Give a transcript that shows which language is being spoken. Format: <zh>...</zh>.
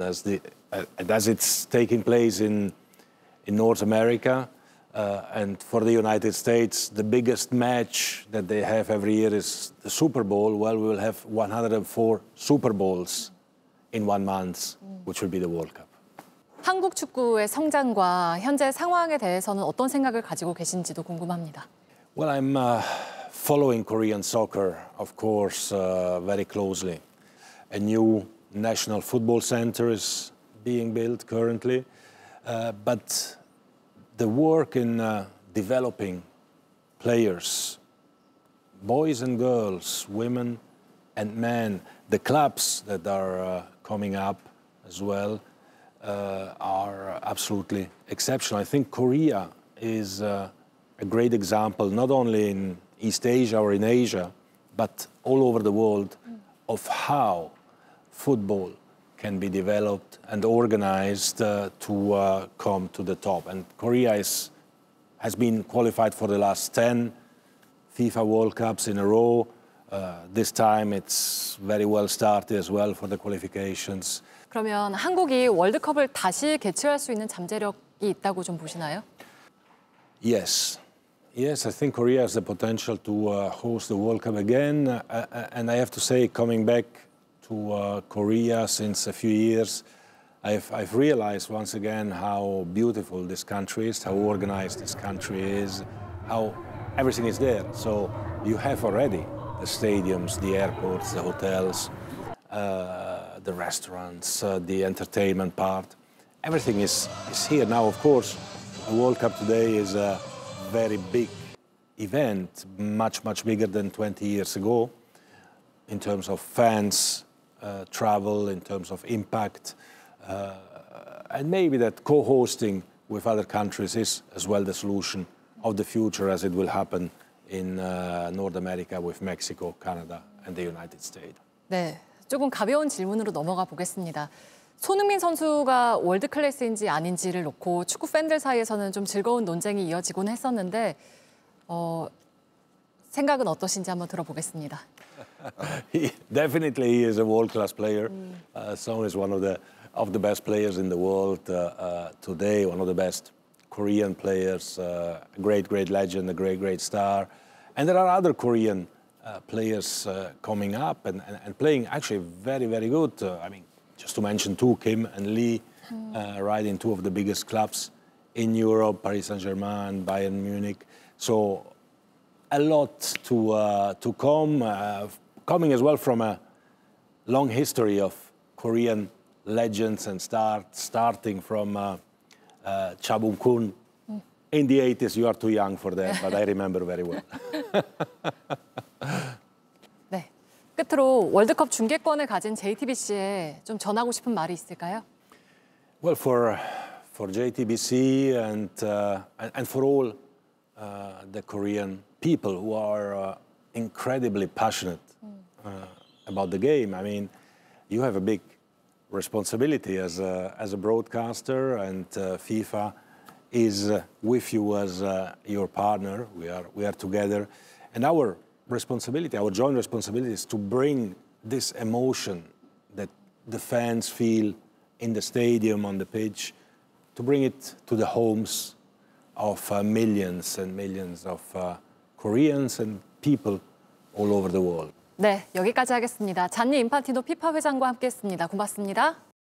<en>As it's taking place in North America, and for the United States, the biggest match that they have every year is the Super Bowl. Well, we will have 104 Super Bowls in 1 month, which will be the World Cup.</en> <ko>한국 축구의 성장과 현재 상황에 대해서는 어떤 생각을 가지고 계신지도 궁금합니다.</ko> <en>Well, I'm following Korean soccer, of course, very closely. A new national football center is being built currently, but the work in developing players, boys and girls, women and men, the clubs that are coming up as well, are absolutely exceptional. I think Korea is a great example, not only in East Asia or in Asia, but all over the world, of how football can be developed and organized to come to the top. And Korea has been qualified for the last 10 FIFA World Cups in a row. This time it's very well started as well for the qualifications.</en> <ko>그러면 한국이 월드컵을 다시 개최할 수 있는 잠재력이 있다고 좀 보시나요?</ko> <en>Yes. Yes, I think Korea has the potential to host the World Cup again. And I have to say, coming back to Korea since a few years, I've realized once again how beautiful this country is, how organized this country is, how everything is there. So you have already the stadiums, the airports, the hotels, the restaurants, the entertainment part. Everything is here. Now, of course, the World Cup today is a very big event, much, much bigger than 20 years ago in terms of fans, travel, in terms of impact, and maybe that co-hosting with other countries is as well the solution of the future, as it will happen in North America with Mexico, Canada, and the United States.</en> <ko>네, 조금 가벼운 질문으로 넘어가 보겠습니다. 손흥민 선수가 월드 클래스인지 아닌지를 놓고 축구 팬들 사이에서는 좀 즐거운 논쟁이 이어지곤 했었는데 생각은 어떠신지 한번 들어보겠습니다.</ko> <en>Definitely, he is a world-class player. Son is one of the best players in the world today. One of the best Korean players, a great legend, a great star. And there are other Korean players coming up and playing actually very good. I mean, just to mention two, Kim and Lee, right in two of the biggest clubs in Europe: Paris Saint-Germain, Bayern Munich. So a lot to come. Coming as well from a long history of Korean legends and starting from Cha Bung-kun in the 80s. You are too young for that, but I remember very well.</en> <ko>네, 끝으로 월드컵 중계권을 가진 JTBC에 좀 전하고 싶은 말이 있을까요?</ko> <en>Well, for JTBC and for all the Korean people who are incredibly passionate about the game. I mean, you have a big responsibility as a broadcaster, and FIFA is with you as your partner. We are together, and our responsibility, our joint responsibility, is to bring this emotion that the fans feel in the stadium, on the pitch, to bring it to the homes of millions and millions of Koreans and people all over the world.</en> <ko>네, 여기까지 하겠습니다. 잔니 인파티노 피파 회장과 함께했습니다. 고맙습니다.</ko>